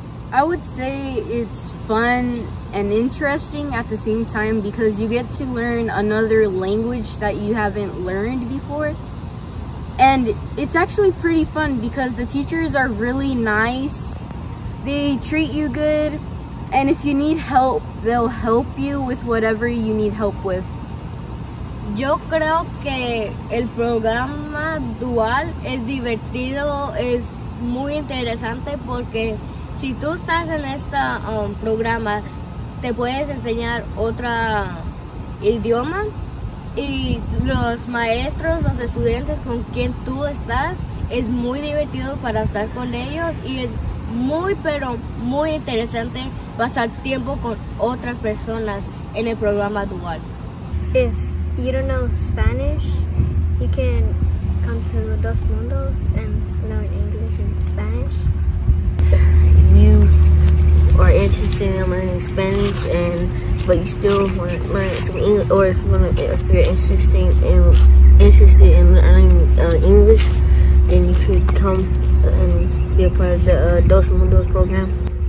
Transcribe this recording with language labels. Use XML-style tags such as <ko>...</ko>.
<en>I would say it's fun and interesting at the same time because you get to learn another language that you haven't learned before. And it's actually pretty fun because the teachers are really nice. They treat you good. And if you need help, they'll help you with whatever you need help with.</en> <es>Yo creo que el programa dual es divertido, es muy interesante porque si tú estás en este programa, te puedes enseñar otro idioma y los maestros, los estudiantes con quien tú estás, es muy divertido para estar con ellos y es muy, pero muy interesante pasar tiempo con otras personas en el programa dual.</es> <en>If you don't know Spanish, you can come to Dos Mundos and learn English and Spanish. If you are interested in learning Spanish and but you still want to learn some English, or if you're interested in learning English, then you should come and be a part of the Dos Mundos program.</en>